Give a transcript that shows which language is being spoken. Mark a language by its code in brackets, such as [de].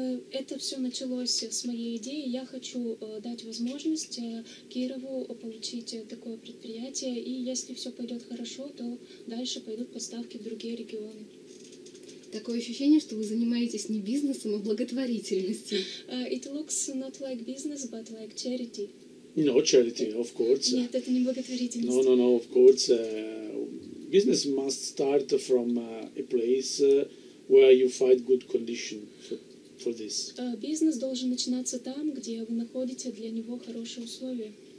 [ru] Это все началось с моей идеи. Я хочу дать возможность Кирову получить такое предприятие, и если все пойдет хорошо, то дальше пойдут поставки в другие регионы. Такое ощущение, что вы занимаетесь не бизнесом, а благотворительностью. [en] It looks not like business, but like charity. No, charity, of course. [ru] Нет, это не благотворительность. [en] No, no, no, of course. Business must start from a place where you find good condition for this. [ru] Бизнес должен начинаться там, где вы находите для него хорошие условия.